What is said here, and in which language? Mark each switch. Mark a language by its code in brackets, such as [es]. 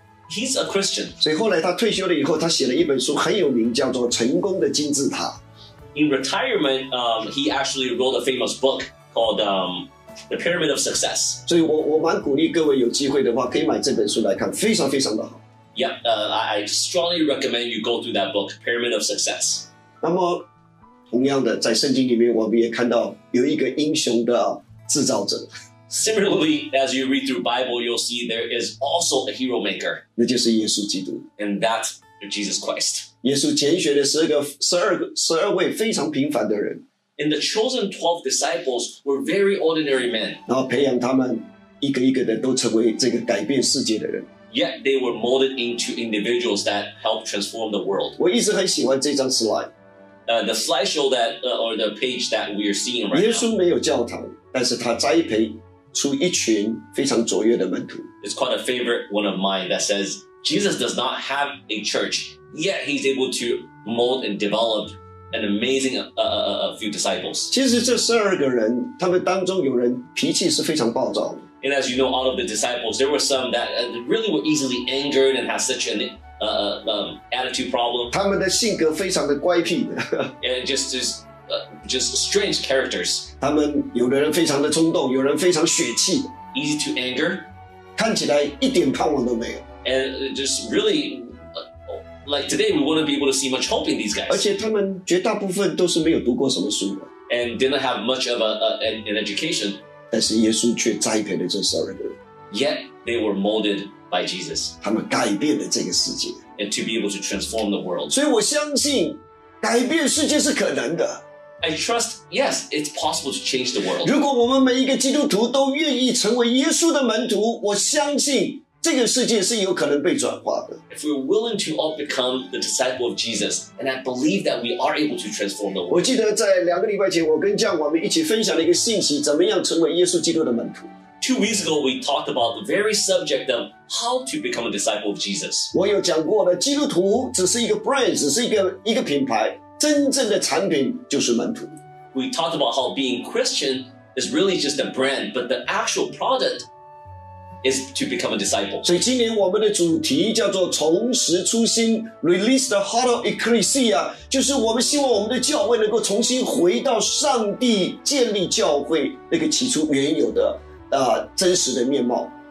[en] He's a Christian. [zh] 所以后来他退休了以后，他写了一本书，很有名，叫做《成功的金字塔》。 [en] In retirement, he actually wrote a famous book called The Pyramid of Success. [zh] 所以我蛮鼓励各位有机会的话，可以买这本书来看，非常非常的好。 [en] Yeah, I strongly recommend you go through that book, Pyramid of Success. [zh] 那么，同样的，在圣经里面，我们也看到有一个英雄的制造者。 [en] Similarly, as you read through the Bible, you'll see there is also a hero maker. [zh] 那就是耶稣基督。 [en] And that's Jesus Christ. [zh] 耶稣拣选的十二位非常平凡的人。 [en] And the chosen 12 disciples were very ordinary men. [zh] 然后培养他们一个一个的都成为这个改变世界的人。 [en] Yet they were molded into individuals that helped transform the world. [zh] 我一直很喜欢这张 slide. [en] The slideshow that, or the page that we are seeing right now. [zh] 耶稣没有教堂，但是他栽培。出一群非常卓越的门徒。 [en] It's quite a favorite one of mine that says Jesus does not have a church, yet he's able to mold and develop an amazing few disciples. [zh] 其实这十二个人，他们当中有人脾气是非常暴躁的。 [en] And as you know, all of the disciples, there were some that really were easily angered and had such an attitude problem. [zh] 他们的性格非常的怪僻的。 [en] And just strange characters. [zh] 他们有的人非常的冲动，有人非常血气。 [en] Easy to anger. [zh] 看起来一点盼望都没有。 [en] And just really, like today, we wouldn't be able to see much hope in these guys. [zh] 而且他们绝大部分都是没有读过什么书的。 [en] And didn't have much of an education. [zh] 但是耶稣却栽培了这十二个人。 [en] Yet they were molded by Jesus. [zh] 他们改变了这个世界。 [en] And to be able to transform the world. [zh] 所以我相信改变世界是可能的。 [en] I trust, yes, it's possible to change the world. [zh] 如果我们每一个基督徒都愿意成为耶稣的门徒，我相信这个世界是有可能被转化的。 [en] If we're willing to all become the disciple of Jesus, and I believe that we are able to transform the world. [zh] 我记得在两个礼拜前，我跟酱我们一起分享了一个信息，怎么样成为耶稣基督的门徒。 [en] 2 weeks ago, we talked about the very subject of how to become a disciple of Jesus. [zh] 我有讲过的，基督徒只是一个 brand, 只是一个品牌，真正的产品就是门徒。 [en] We talked about how being Christian is really just a brand, but the actual product. Is to become a disciple. [zh] 所以今年我们的主题叫做重拾初心 [en] Release the heart of Ecclesia [zh] 就是我们希望我们的教会能够重新回到上帝建立教会那个起初原有的、真实的面貌